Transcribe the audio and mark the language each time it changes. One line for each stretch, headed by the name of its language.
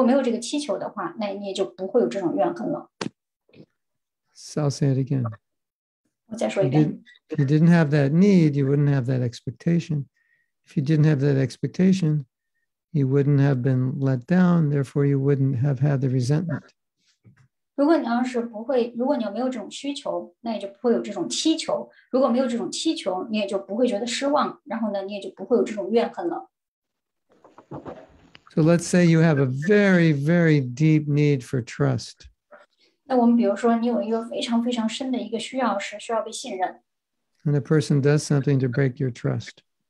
Chinese: 那如果你要是没有这个需求的话，那你就不会有这种祈求。如果没有这个祈求的话，那你也就不会有这种怨恨了。
English: So I'll say it again.
Chinese: 我再说一遍。
English: If you didn't have that need, you wouldn't have that expectation. If you didn't have that expectation, you wouldn't have been let down, therefore you wouldn't have had the resentment.
Chinese: 如果你要是不会，如果你没有这种需求，那也就不会有这种祈求。如果没有这种祈求，你也就不会觉得失望，然后呢，你也就不会有这种怨恨了。
English: So let's say you have a very, very deep need for trust.
Chinese: 那我们比如说，你有一个非常非常深的一个需要，是需要被信任。
English: And a person does something to break your trust.